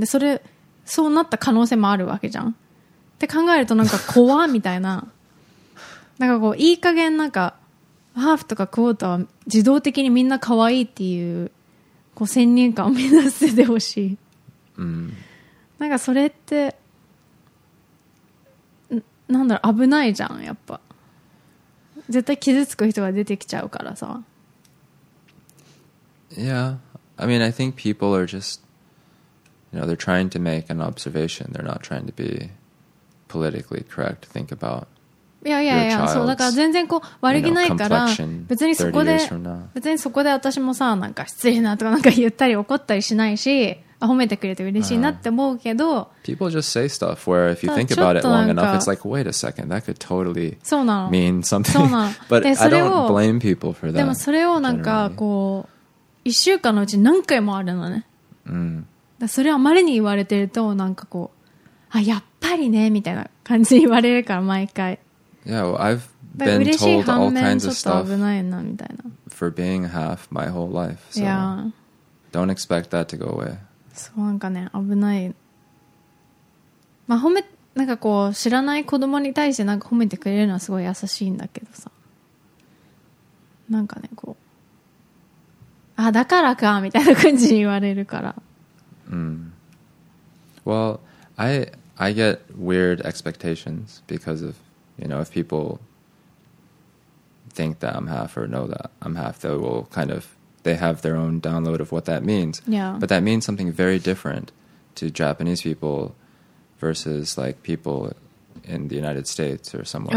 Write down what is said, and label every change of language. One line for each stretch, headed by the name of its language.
Japanese: でそれ、そうなった可能性もあるわけじゃんって考えると、なんか怖みたいな、なんかこういい加減、なんかハーフとかクォーターは自動的にみんな可愛いっていう、こう先入観を目指せてほしい。なんかそれって、なんだろう、危ないじゃん、やっぱ。絶対傷つく人が出てきちゃうからさ。
English: Yeah. I mean, I think people are just, you know, they're trying to make an observation. They're not trying to be politically correct. Think about.
Japanese: いや、そうだから全然こう悪気ないから、別にそこで私もさ、なんか失礼なとかなんか言ったり怒ったりしないし、褒めてくれて嬉しいなって思うけど、
English: People just say stuff where if you think about it long enough, it's like, wait a second, that could totally mean something. But I don't blame people for that.
Japanese: でもそれをなんかこう一週間のうち何回もあるのね。だそれはあまりに言われてるとなんかこうあやっぱりねみたいな感じに言われるから毎回。
English: Yeah, well, I've been told all kinds of stuff.
Japanese: 危ないなみたいな。
English: For being half my whole life, so don't expect that to go away.
Japanese: そうなんかね危ない、まあ、褒めなんかこう知らない子供に対してなんか褒めてくれるのはすごい優しいんだけどさなんかねこうあだからかみたいな感じに言われるから、
English: Well I get weird expectations because of you know if people think that I'm half or know that I'm half they will kind ofthey have their own download of what that means. Yeah. But that means something very different to Japanese people versus like people in the United States or somewhere